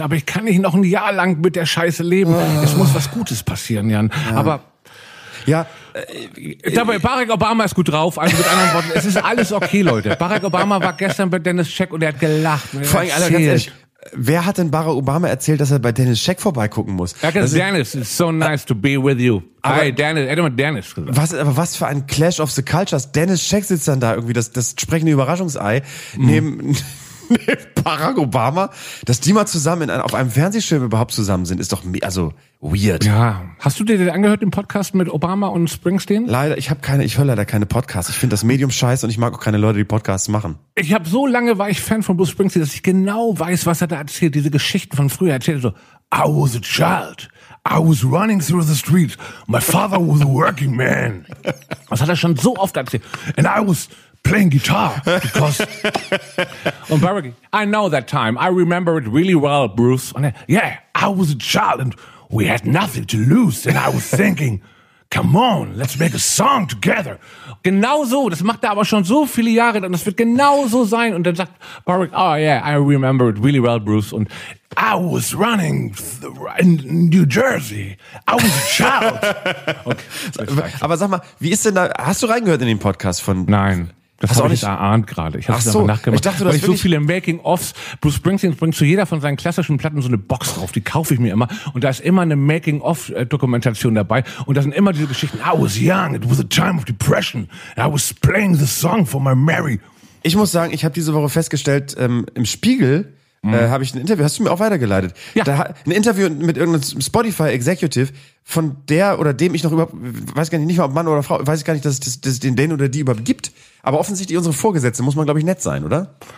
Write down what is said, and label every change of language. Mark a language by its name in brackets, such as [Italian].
[German] Aber ich kann nicht noch ein Jahr lang mit der Scheiße leben. Oh. Es muss was Gutes passieren, Jan. Ja. Aber ja, dabei, Barack Obama ist gut drauf, also mit anderen Worten, es ist alles okay, Leute. Barack Obama war gestern bei Dennis Scheck und er hat gelacht. Vor allem, ganz ehrlich, wer hat denn Barack Obama erzählt, dass er bei Dennis Scheck vorbeigucken muss? [English] Dennis, it's so nice to be with you. [German] Dennis gesagt. Was für ein [English] Clash of the Cultures. [German] Dennis Scheck sitzt dann da irgendwie, das sprechende Überraschungsei, neben Barack Obama. Dass die mal zusammen auf einem Fernsehschirm überhaupt zusammen sind, ist doch also weird. Ja. Hast du dir den angehört, den Podcast mit Obama und Springsteen? Leider, ich höre leider keine Podcasts. Ich finde das Medium scheiße und ich mag auch keine Leute, die Podcasts machen. Ich habe so lange, war ich Fan von Bruce Springsteen, dass ich genau weiß, was er da erzählt, diese Geschichten von früher erzählt. [English] So, I was a child. I was running through the streets. My father was a working man. [German] Das hat er schon so oft erzählt. [English] And I was playing guitar, because... [German] Und [English] Barack, I know that time. I remember it really well, Bruce. And I was a child and we had nothing to lose. And I was thinking, come on, let's make a song together. [German] Genau so, das macht er aber schon so viele Jahre und das wird genau so sein. Und dann sagt Barack, [English] oh yeah, I remember it really well, Bruce. [German] Und [English] I was running in New Jersey. I was a child. [German] Okay. Aber sag mal, wie ist denn da, hast du reingehört in den Podcast von... Nein. Das habe ich erahnt gerade. Ich habe es aber nachgemacht. Ich dachte, weil ich so viele Making-ofs, Bruce Springsteen bringt zu jeder von seinen klassischen Platten so eine Box drauf. Die kaufe ich mir immer. Und da ist immer eine Making-of-Dokumentation dabei. Und da sind immer diese Geschichten. [English] I was young. It was a time of depression. And I was playing the song for my Mary. [German] Ich muss sagen, ich habe diese Woche festgestellt, im Spiegel, habe ich ein Interview, hast du mir auch weitergeleitet? Ja. Da, ein Interview mit irgendeinem Spotify-Executive, von der oder dem ich noch überhaupt, weiß gar nicht mal, ob Mann oder Frau, weiß ich gar nicht, dass es den oder die überhaupt gibt. Aber offensichtlich unsere Vorgesetzte, muss man, glaube ich, nett sein, oder?